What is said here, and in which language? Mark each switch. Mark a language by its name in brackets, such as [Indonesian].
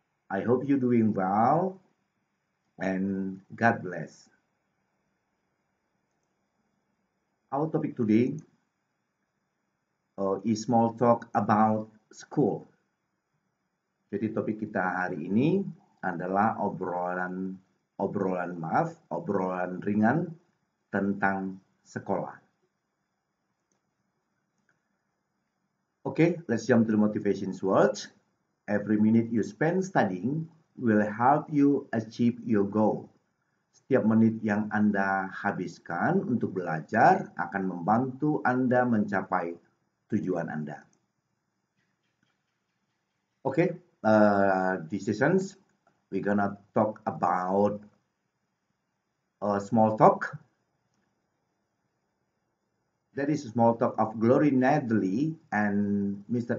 [English] I hope you doing well and God bless. Our topic today is small talk about school. [Indonesian] Jadi topik kita hari ini adalah obrolan ringan tentang sekolah. [English] Okay, let's jump to the motivation words. Every minute you spend studying will help you achieve your goal. [Indonesian] Setiap menit yang Anda habiskan untuk belajar akan membantu Anda mencapai tujuan Anda. [English] Okay. Decisions, we're gonna talk about a small talk. That is a small talk of Glory Nedley and Mr.